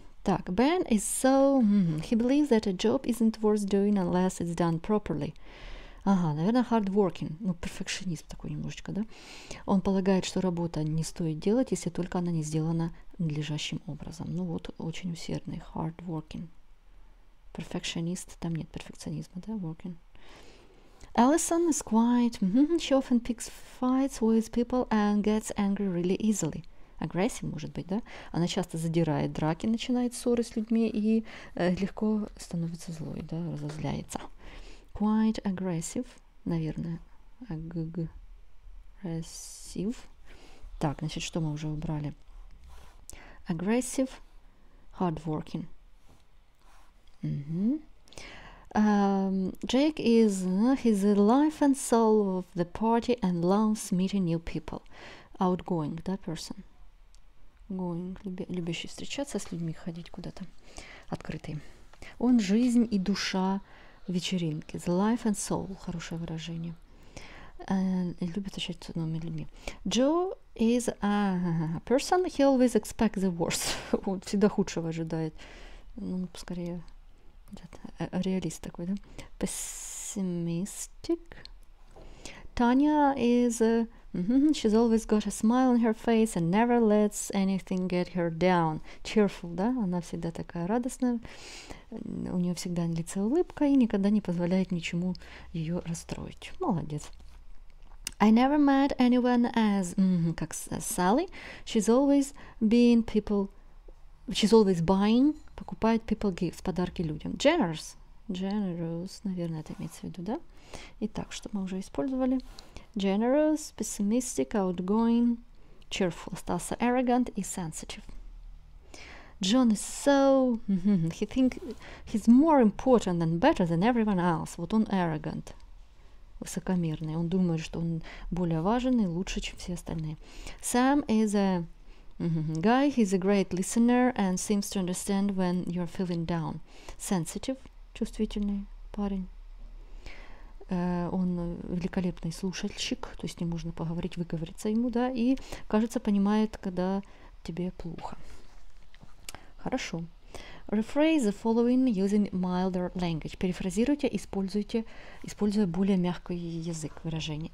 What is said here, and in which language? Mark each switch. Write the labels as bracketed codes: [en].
[en] Так, Ben is so… He believes that a job isn't worth doing unless it's done properly. [ru] Ага, наверное, hardworking. Ну, перфекционист такой немножечко, да? Он полагает, что работа не стоит делать, если только она не сделана надлежащим образом. Ну вот, очень усердный, hardworking. Perfectionist, там нет перфекционизма, да, working. [en] Allison is quite, she often picks fights with people and gets angry really easily. [ru] Aggressive, может быть, да? Она часто задирает драки, начинает ссоры с людьми и легко становится злой, да, разозляется. [en] Quite aggressive, наверное. Aggressive. [ru] Так, значит, что мы уже убрали? [en] Aggressive, hardworking. Jake is he's the life and soul of the party and loves meeting new people. Outgoing, да, person. [ru] Going, любящий встречаться с людьми, ходить куда-то. Открытый. Он жизнь и душа вечеринки. [en] The life and soul, [ru] хорошее выражение. Любит общаться с новыми людьми. [en] Joe is a person, he always expects the worst. [ru] Он всегда худшего ожидает. Ну, скорее... Реалист такой, да? Пессимистик. Таня is [en] She's always got a smile on her face and never lets anything get her down. Cheerful, да? [ru] Она всегда такая радостная. У нее всегда на лице улыбка и никогда не позволяет ничему ее расстроить. Молодец. [en] I never met anyone as как Sally. She's always buying, [ru] покупает [en] people gifts, [ru] подарки людям. Generous, наверное, это имеется в виду, да? Итак, что мы уже использовали? [en] Generous, pessimistic, outgoing, cheerful. [ru] Остался [en] arrogant и sensitive. John is so... He thinks he's more important and better than everyone else. [ru] Вот он arrogant, высокомерный. Он думает, что он более важен и лучше, чем все остальные. [en] Sam is a guy. He's a great listener and seems to understand when you're feeling down. [ru] Sensitive, чувствительный парень. Он великолепный слушальщик, то есть с ним можно поговорить, выговориться ему, да, и, кажется, понимает, когда тебе плохо. [en] Хорошо. Rephrase the following using milder language. [ru] Перефразируйте, используя более мягкий язык выражения.